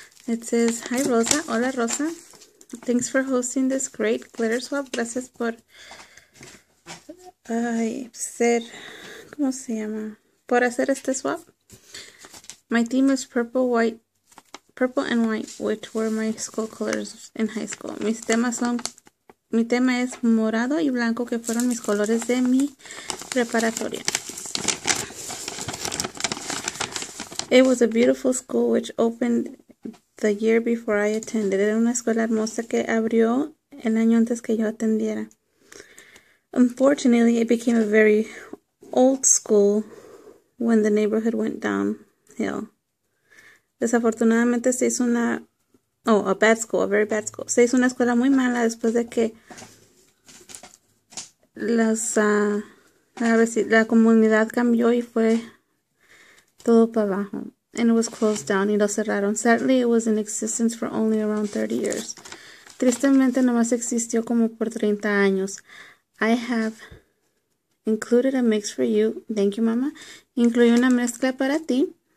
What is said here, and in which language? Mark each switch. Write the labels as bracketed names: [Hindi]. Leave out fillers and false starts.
[English] It says, "Hi Rosa, [Spanish] hola Rosa. [English] Thanks for hosting this great glitter swap. [Spanish] Gracias por ser, ¿cómo se llama? Por hacer este swap. [English] My theme is purple and white, which were my school colors in high school. [Spanish] Mis temas son Mi tema es morado y blanco, que fueron mis colores de mi preparatoria. [English] It was a beautiful school which opened the year before I attended. [Spanish] Era una escuela hermosa que abrió el año antes que yo atendiera. [English] Unfortunately, it became a very old school when the neighborhood went downhill. [Spanish] Desafortunadamente se hizo una... [English] Oh, a bad school, a very bad school. [Spanish] Se hizo una escuela muy mala después de que la comunidad cambió y fue todo para abajo. [English] And it was closed down [Spanish] y lo cerraron. [English] Sadly, it was in existence for only around 30 years. [Spanish] Tristemente, nomás existió como por 30 años. [English] I have included a mix for you. Thank you, mama. [Spanish] Incluí una mezcla para ti.